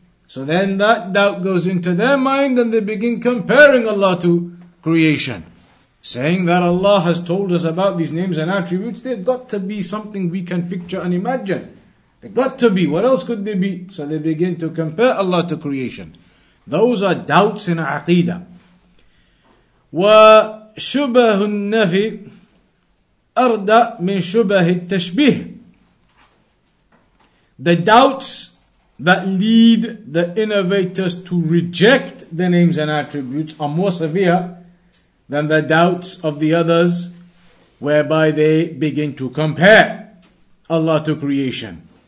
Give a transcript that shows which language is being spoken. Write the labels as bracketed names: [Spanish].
[English] So then that doubt goes into their mind and they begin comparing Allah to creation. Saying that Allah has told us about these names and attributes, they've got to be something we can picture and imagine. They've got to be. What else could they be? So they begin to compare Allah to creation. Those are doubts in Aqeedah. [Arabic] وَشُبَهُ النَّفِي أَرْدَى مِن شُبَهِ التَّشْبِيهِ. [English] The doubts that lead the innovators to reject the names and attributes are more severe than the doubts of the others, whereby they begin to compare Allah to creation.